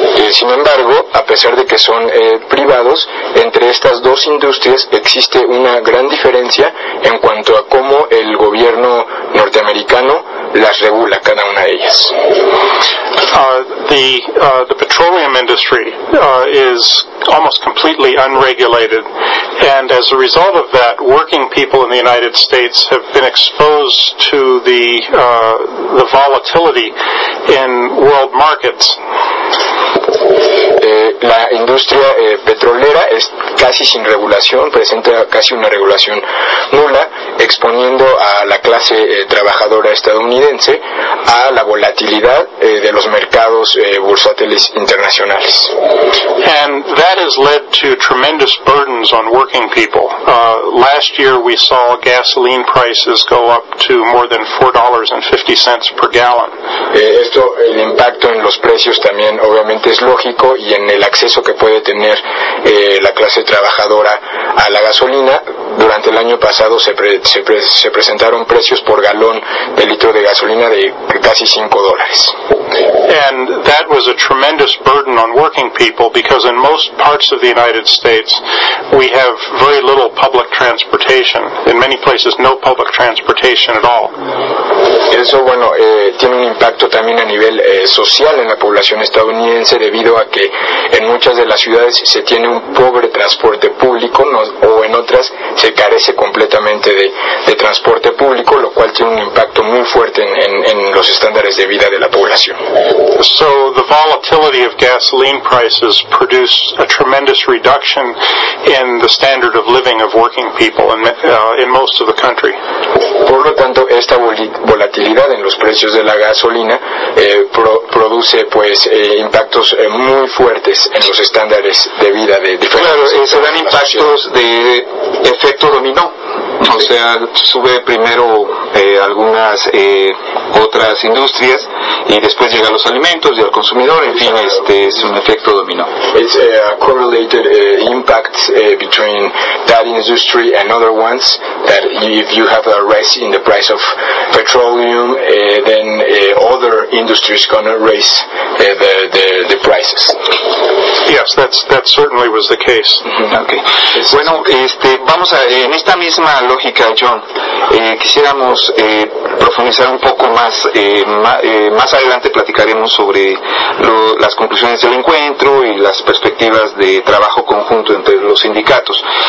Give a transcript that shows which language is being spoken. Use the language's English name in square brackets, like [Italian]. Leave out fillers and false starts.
[Spanish] Sin embargo, a pesar de que son privados, entre estas dos industrias existe una gran diferencia en cuanto a cómo el gobierno norteamericano las regula cada una de ellas. [English] The petroleum industry is almost completely unregulated, and as a result of that, working people in the United States have been exposed to the volatility in world markets. [Spanish] La industria petrolera es casi sin regulación, presenta casi una regulación nula, exponiendo a la clase trabajadora estadounidense a la volatilidad de los mercados bursátiles internacionales. [English] And that has led to tremendous burdens on working people. Last year we saw gasoline prices go up to more than $4.50 per gallon. [Spanish] Esto, el impacto en los precios también obviamente es lógico, y en el acceso que puede tener la clase trabajadora a la gasolina. Durante el año pasado se presentaron precios por galón de litro de gasolina de casi $5. [English] And that was a tremendous burden on working people, because in most parts of the United States we have very little public transportation. In many places no public transportation at all. [Spanish] Eso, bueno, tiene un impacto también a nivel social en la población estadounidense, debido a que en muchas de las ciudades se tiene un pobre transporte público, no, o en otras se carece completamente de transporte público, lo cual tiene un impacto muy fuerte en los estándares de vida de la población. [English] So the volatility of gasoline prices produce a tremendous reduction in the standard of living of working people in most of the country. [Spanish] Por lo tanto, esta volatilidad en los precios de la gasolina produce pues impactos muy fuertes en los estándares de vida de diferentes. Claro, se dan impactos de efecto dominó. O sea, sube primero algunas otras industrias y después llegan los alimentos y al consumidor. En fin, este es un efecto dominó. [English] It's a correlated impact between that industry and other ones, that if you have a rise in the price of petroleum, then other industries gonna raise the prices. Yes, that certainly was the case. Mm-hmm. Okay. [Spanish] Yes, bueno, vamos a en esta misma lógica, John, quisiéramos profundizar un poco más. Más adelante platicaremos sobre las conclusiones del encuentro y las perspectivas de trabajo conjunto entre los sindicatos.